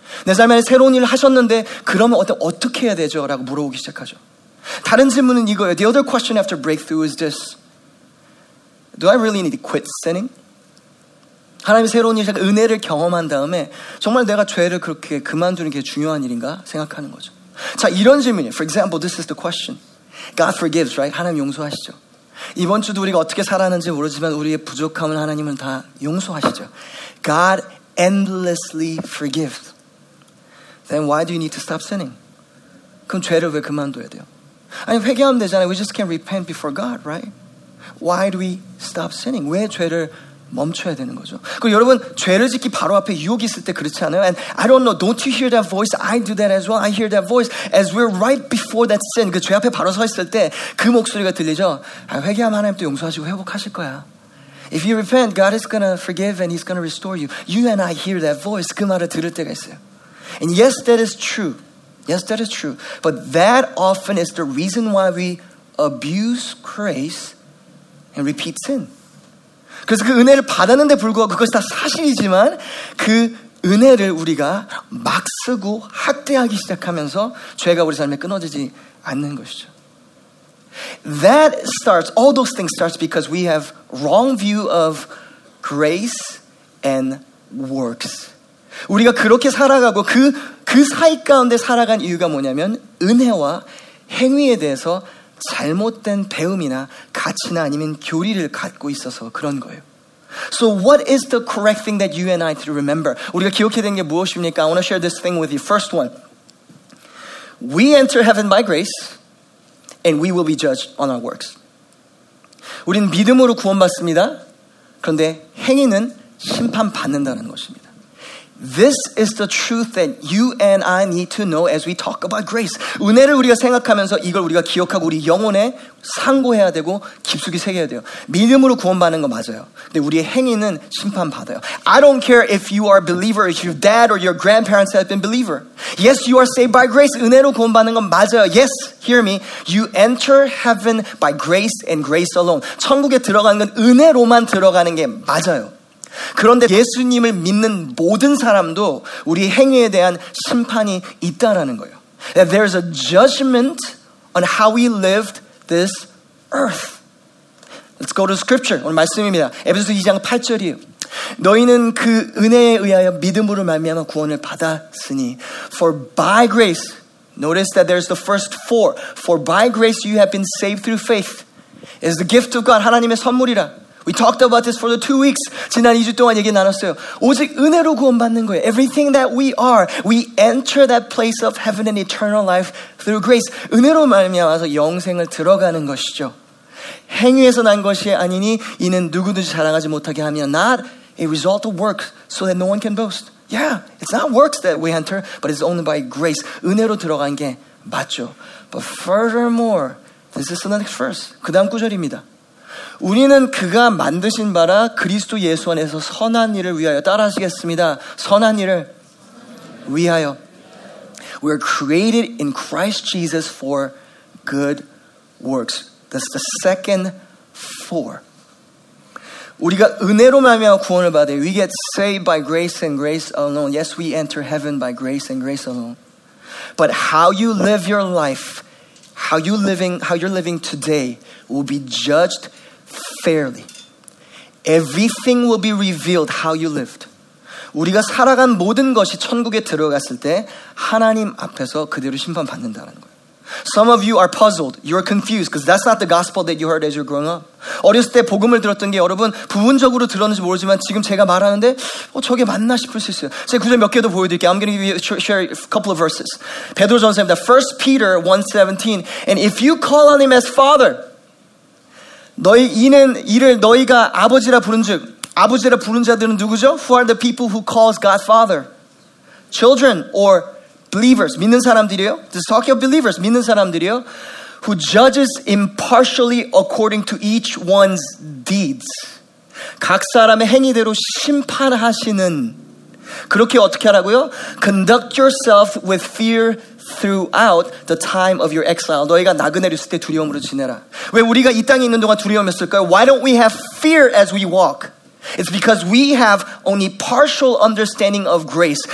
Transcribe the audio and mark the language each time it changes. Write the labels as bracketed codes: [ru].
[ko] 내 삶에 새로운 일을 하셨는데 그러면 어떻게 해야 되죠? 라고 물어보기 시작하죠. 다른 질문은 이거예요. [en] The other question after breakthrough is this. Do I really need to quit sinning? [ko] 하나님의 새로운 일, 은혜를 경험한 다음에 정말 내가 죄를 그렇게 그만두는 게 중요한 일인가 생각하는 거죠. 자, 이런 질문이에요. [en] For example, this is the question. God forgives, right? [ko] 하나님 용서하시죠. 이번 주도 우리가 어떻게 살았는지 모르지만 우리의 부족함을 하나님은 다 용서하시죠. [en] God endlessly forgives. then why do you need to stop sinning? [ko] 그럼 죄를 왜 그만둬야 돼요? 아니 회개하면 되잖아요. [en] We just can repent before God, right? Why do we stop sinning? [ko] 왜 죄를 멈춰야 되는 거죠? 그리고 여러분 죄를 짓기 바로 앞에 유혹이 있을 때 그렇지 않아요? [en] And I don't know, don't you hear that voice? I do that as well. I hear that voice as we're right before that sin. [ko] 그 죄 앞에 바로 서 있을 때 그 목소리가 들리죠? 아, 회개하면 하나님도 용서하시고 회복하실 거야. [en] If you repent, God is going to forgive and he's going to restore you. You and I hear that voice. [ko] 그 말을 들을 때가 있어요. [en] And yes, that is true. Yes, that is true. But that often is the reason why we abuse grace and repeat sin. [ko] 그래서 그 은혜를 받았는데 불구하고 그것이 다 사실이지만 그 은혜를 우리가 막 쓰고 학대하기 시작하면서 죄가 우리 삶에 끊어지지 않는 것이죠. [en] That starts, all those things starts because we have wrong view of grace and works. [ko] 우리가 그렇게 살아가고 그 사이 가운데 살아간 이유가 뭐냐면 은혜와 행위에 대해서 잘못된 배움이나 가치나 아니면 교리를 갖고 있어서 그런 거예요. [en] So what is the correct thing that you and I should remember? [ko] 우리가 기억해야 되는 게 무엇입니까? [en] I want to share this thing with you. First one, we enter heaven by grace and we will be judged on our works. [ko] 우리는 믿음으로 구원받습니다. 그런데 행위는 심판받는다는 것입니다. [en] This is the truth that you and I need to know as we talk about grace. [ko] 은혜를 우리가 생각하면서 이걸 우리가 기억하고 우리 영혼에 상고해야 되고 깊숙이 새겨야 돼요. 믿음으로 구원받는 거 맞아요. 근데 우리의 행위는 심판받아요. [en] I don't care if you are a believer, if your dad or your grandparents have been believer. Yes, you are saved by grace. [ko] 은혜로 구원받는 건 맞아요. [en] Yes, hear me. You enter heaven by grace and grace alone. [ko] 천국에 들어가는 건 은혜로만 들어가는 게 맞아요. 그런데 예수님을 믿는 모든 사람도 우리 행위에 대한 심판이 있다라는 거예요. [en] That there's a judgment on how we lived this earth. Let's go to scripture. [ko] 오늘 말씀입니다. 에베소서 2장 8절이에요. 너희는 그 은혜에 의하여 믿음으로 말미암아 구원을 받았으니 [en] For by grace, notice that there's the first four. For by grace you have been saved through faith. It's the gift of God, [ko] 하나님의 선물이라. [en] We talked about this for the 2 weeks. [ko] 지난 2주 동안 얘기 나눴어요. 오직 은혜로 구원받는 거예요. [en] Everything that we are, we enter that place of heaven and eternal life through grace. [ko] 은혜로 말미암아서 영생을 들어가는 것이죠. 행위에서 난 것이 아니니 이는 누구든지 자랑하지 못하게 하며 [en] not a result of works so that no one can boast. Yeah, it's not works that we enter, but it's only by grace. [ko] 은혜로 들어간 게 맞죠. [en] But furthermore, this is the next verse. [ko] 그 다음 구절입니다. 우리는 그가 만드신 바라 그리스도 예수 안에서 선한 일을 위하여 따라하시겠습니다. 선한 일을 위하여. [en] We are created in Christ Jesus for good works. That's the second four. [ko] 우리가 은혜로 말미암아 구원을 받아요. [en] We get saved by grace and grace alone. Yes, we enter heaven by grace and grace alone. But how you live your life, how you're living today will be judged fairly. Everything will be revealed how you lived. [ko] 우리가 살아간 모든 것이 천국에 들어갔을 때 하나님 앞에서 그대로 심판받는다는 거예요. [en] Some of you are puzzled. You're confused because that's not the gospel that you heard as you're growing up. [ko] 어렸을 때 복음을 들었던 게 여러분 부분적으로 들었는지 모르지만 지금 제가 말하는데 저게 맞나 싶을 수 있어요. 제가 구절 몇 개도 보여드릴게요. [en] I'm going to give you share a couple of verses. [ko] 베드로전서입니다. [en] 1 Peter 1:17 And if you call on him as father, [ko] 너희 이는 이를 너희가 아버지라 부른즉 아버지라 부른 자들은 누구죠? [en] Who are the people who calls God Father? Children or believers, [ko] 믿는 사람들이요? [en] This is talking of believers, [ko] 믿는 사람들이요? [en] Who judges impartially according to each one's deeds. [ko] 각 사람의 행위대로 심판하시는 그렇게 어떻게 하라고요? [en] Conduct yourself with fear throughout the time of your exile. [ko] 너희가 나그네로 있을 때 두려움으로 지내라. 왜 우리가 이 땅에 있는 동안 두려움이 있을까요? [en] Why don't we have fear as we walk? It's because we have only partial understanding of grace.